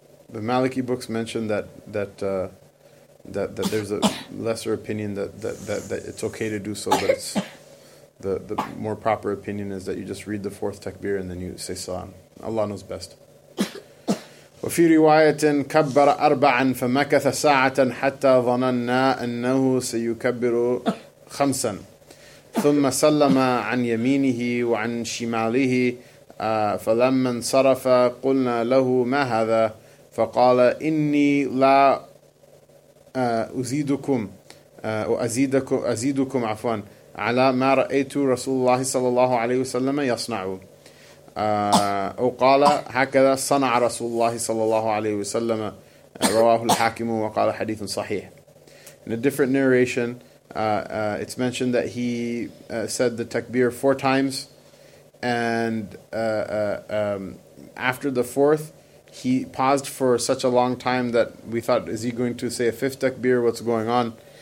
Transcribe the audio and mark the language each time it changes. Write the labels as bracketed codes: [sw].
[en] The Maliki books mention that there's a lesser opinion that it's okay to do so, but it's the more proper opinion is that you just read the fourth takbir and then you say salam. Allah knows best. [ar] وفي رواية كبر أربعا فمكث ساعة حتى ظننا أنه سيكبر خمسا ثم سلم عن يمينه وعن شماله فلما انصرف قلنا له ما هذا فقال إني لا أزيدكم أزيدكم عفوا على ما رأيت رسول الله صلى الله عليه وسلم يصنع أو قال هكذا صنع رسول الله صلى الله عليه وسلم رواه الحاكم وقال حديث صحيح. [en] In a different narration, it's mentioned that he said the takbir four times, and after the fourth he paused for such a long time that we thought, is he going to say a fifth takbir? What's going on?